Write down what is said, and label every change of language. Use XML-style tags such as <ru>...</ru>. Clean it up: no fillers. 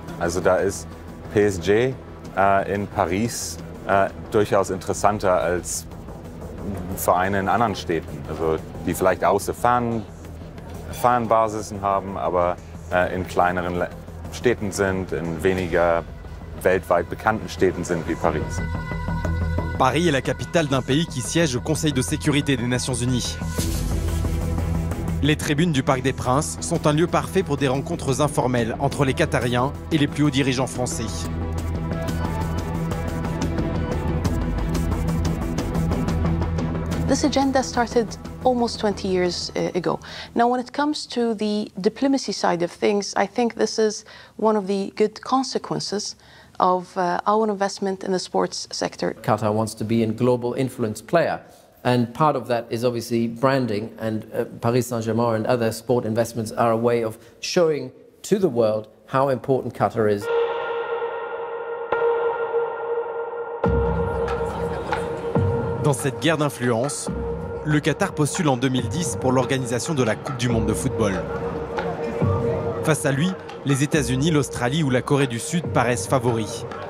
<de>Also da ist PSG in Paris durchaus interessanter als Vereine in anderen Städten, also die vielleicht auch Fanbasen haben, aber in kleineren Städten sind, in weniger weltweit bekannten Städten sind wie Paris.</de> <fr>Paris est la capitale d'un pays qui siège au Conseil de sécurité des Nations Unies. Les tribunes du Parc des Princes sont un lieu parfait pour des rencontres informelles entre les Qatariens et les plus hauts dirigeants français.</fr> <en>This agenda started almost 20 years ago. Now, when it comes to the diplomacy side of things, I think this is one of the good consequences of our investment in the sports sector. Qatar wants to be a global influence player. And part of that is obviously branding, and Paris Saint-Germain and other sport investments are a way of showing to the world how important Qatar is.</en> <fr>Dans cette guerre d'influence, le Qatar postule en 2010 pour l'organisation de la Coupe du monde de football. Face à lui, les États-Unis, l'Australie ou la Corée du Sud paraissent favoris.</fr>